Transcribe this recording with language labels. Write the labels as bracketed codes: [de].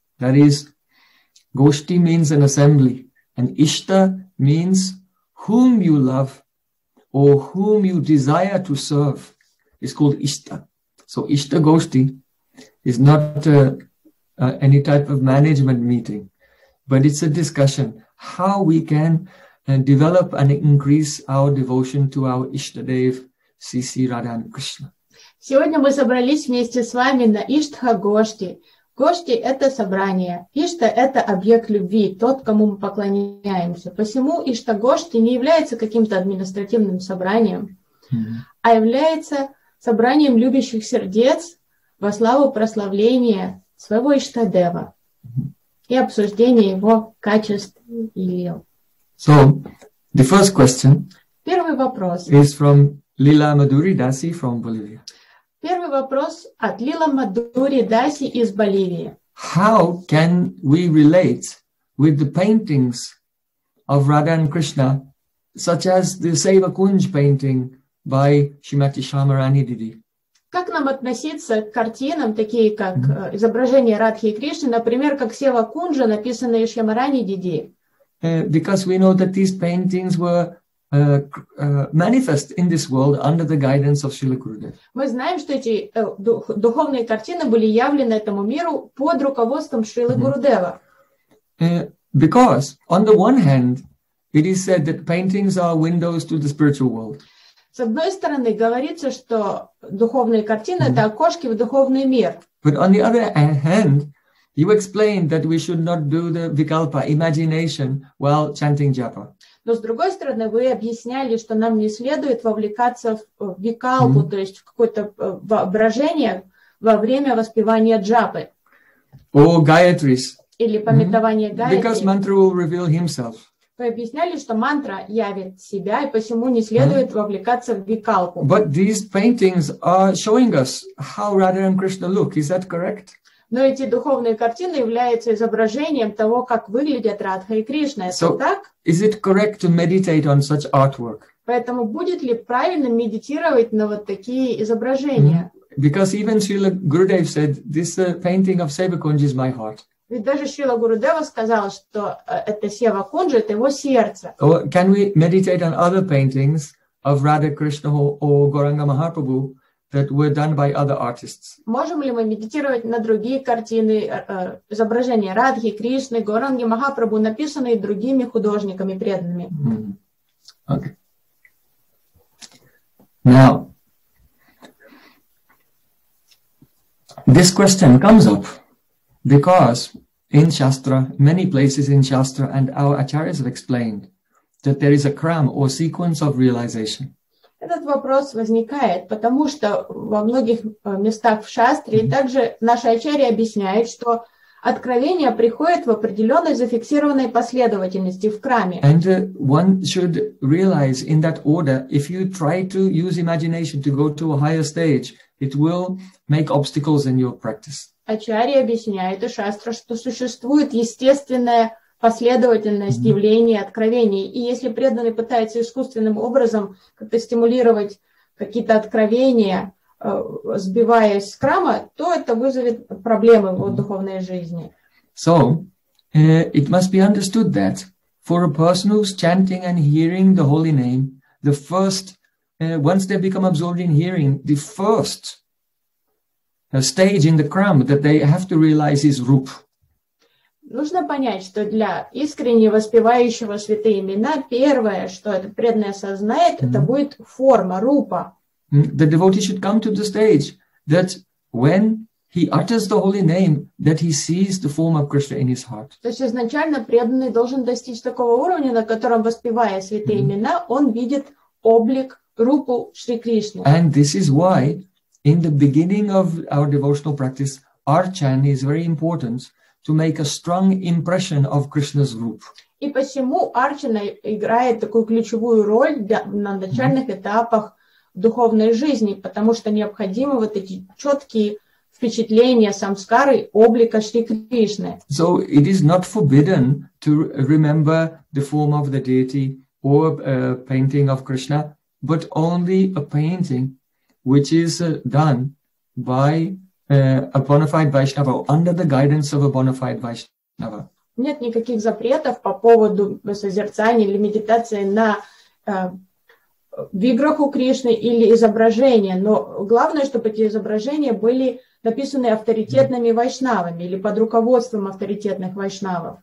[en] That is, Goshti means an assembly, and Ishta means whom you love or whom you desire to serve is called Ishta. So Ishta Goshti is not any type of management meeting, but it's a discussion how we can develop and increase our devotion to our Ishtadev, C.C. Radha and Krishna. [ru] Сегодня мы собрались вместе с вами на Иштха Гошти. Гошти – это собрание. Ишта – это объект любви, тот, кому мы поклоняемся. Посему Иштха Гошти не является каким-то административным собранием, а является собранием любящих сердец, во славу прославления своего Иштадева и обсуждения его качеств и лил. [en] So, the first question [ru] Первый вопрос [en] is from Lila Madhuri Dasi from Bolivia. [ru] Первый вопрос от Лила Мадури Даси из Боливии. [en] How can we relate with the paintings of Radha and Krishna, such as the Seva Kunj painting by Shrimati Shyamarani Didi? [ru] Как нам относиться к картинам, такие как изображения Радхи и Кришны, например, как Сева Кунджа, написанная Шьямарани Диди? [en] Because we know that these paintings were manifest in this world under the guidance of Srila Gurudev. [ru] Мы знаем, что эти духовные картины были явлены этому миру под руководством Шрилы Гурудева. [en] Because, on the one hand, it is said that paintings are windows to the spiritual world. [ru] С одной стороны, говорится, что духовные картины – это окошки в духовный мир. [en] But on the other hand, you explained that we should not do the vikalpa, imagination, while chanting japa. [ru] Но с другой стороны, вы объясняли, что нам не следует вовлекаться в викалпу, mm-hmm. то есть в какое-то воображение во время воспевания джапы. [en] Or Gayatris. [ru] Или памятование mm-hmm. Гаятри. [en] Because mantra will reveal himself. [ru] Вы объясняли, что мантра явит себя, и посему не следует mm-hmm. вовлекаться в викалпу. [en] But these paintings are showing us how Radha and Krishna look. Is that correct? [ru] Но эти духовные картины являются изображением того, как выглядят Радха и Кришна. Это [en] so, [ru] так? [en] Is it correct to meditate on such artwork? [ru] Поэтому будет ли правильно медитировать на вот такие изображения? Mm-hmm. [en] Because even Srila Gurudev said, this painting of Seva Kunji is my heart. [ru] Ведь даже Шрила Гурудева сказал, что это Сева Кунджа, это его сердце. [en] Or can we meditate on other paintings of Radha Krishna or Gauranga Mahaprabhu that were done by other artists? [ru] Можем ли мы медитировать на другие картины, изображения Радхи, Кришны, Гауранги Махапрабху, написанные другими художниками преданными? [en] Mm-hmm. Okay. Now, this question comes up because in Shastra, many places in Shastra, and our acharyas have explained that there is a kram or sequence of realization. [ru] Этот вопрос возникает, потому что во многих местах в Шастре, mm-hmm. также наша ачарья объясняет, что откровение приходит в определенной зафиксированной последовательности в краме. [en] And one should realize in that order, if you try to use imagination to go to a higher stage, it will make obstacles in your practice. [ru] Ачарья объясняет и Шастра, что существует естественная последовательность mm-hmm. явлений откровений. И если преданный пытается искусственным образом как-то стимулировать какие-то откровения, сбиваясь с крама, то это вызовет проблемы mm-hmm. в духовной жизни. [en] So, it must be understood that for a person who's chanting and hearing the holy name, the first, once they become absorbed in hearing, the first stage in the kram that they have to realize is rup. [ru] Нужно понять, что для искренне воспевающего святые имена первое, что это преданное сознает, mm-hmm. это будет форма, рупа. [en] The devotee should come to the stage that when he utters the holy name, that he sees the form of Krishna in his heart. [ru] То есть изначально преданный должен достичь такого уровня, на котором, воспевая святые mm-hmm. имена, он видит облик, рупу Шри Кришны. [en] And this is why in the beginning of our devotional practice, archan is very important to make a strong impression of Krishna's roop. [ru] И посему арчана играет такую ключевую роль на начальных mm-hmm. этапах духовной жизни, потому что необходимы вот эти четкие впечатления самскары, облика Шри Кришны. [en] So it is not forbidden to remember the form of the deity or a painting of Krishna, but only a painting which is done by a bona fide Vaishnava, under the guidance of a bona fide Vaishnava. [ru] Нет никаких запретов по поводу созерцания или медитации на виграху Кришны или изображения, но главное, чтобы эти изображения были написаны авторитетными вайшнавами или под руководством авторитетных вайшнавов.